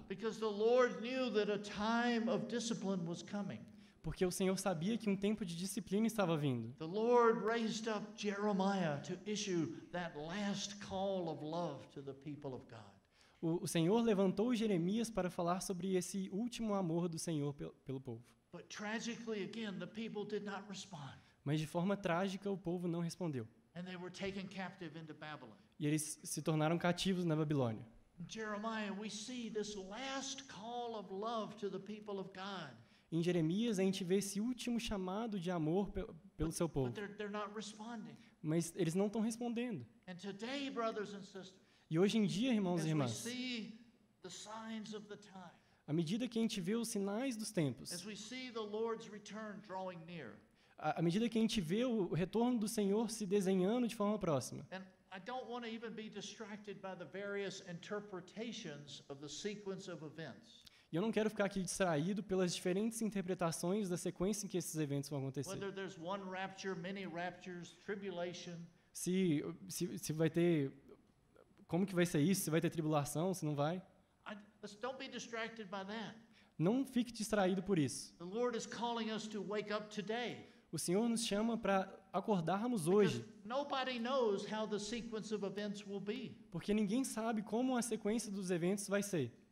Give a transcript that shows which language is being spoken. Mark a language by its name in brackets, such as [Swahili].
[English] Because the Lord knew that a time of discipline was coming. [Portuguese] Porque o Senhor sabia que um tempo de disciplina estava vindo. [English] The Lord raised up Jeremiah to issue that last call of love to the people of God. [Portuguese] O Senhor levantou Jeremias para falar sobre esse último amor do Senhor pelo povo. [English] But tragically again, the people did not respond. [Portuguese] Mas de forma trágica, o povo não respondeu. [English] And they were taken captive into Babylon. [Portuguese] E eles se tornaram cativos na Babilônia. [English] Jeremiah, we see this last call of love to the people of God. [Portuguese] Em Jeremias, a gente vê esse último chamado de amor pelo seu povo. [English] But they're not responding. [Portuguese] Mas eles não estão respondendo. [English] And today, brothers and sisters, [Portuguese] e hoje em dia, irmãos e irmãs, [English] as we see the signs of the time, [Portuguese] à medida que a gente vê os sinais dos tempos, [English] as we see the Lord's return drawing near, [Portuguese] à medida que a gente vê o retorno do Senhor se desenhando de forma próxima. E eu não quero ficar aqui distraído pelas diferentes interpretações da sequência em que esses eventos vão acontecer. [English] Whether there's one rapture, many raptures, tribulation. [Portuguese] Se vai ter, como que vai ser isso? Se vai ter tribulação, se não vai? [English] Don't be distracted by that. [Portuguese] Não fique distraído por isso. [English] The Lord is calling us to wake up today. [Portuguese] O Senhor nos chama para acordarmos hoje. [English] Because nobody knows how the sequence of events will be. [Portuguese] Porque ninguém sabe como a sequência dos eventos vai ser.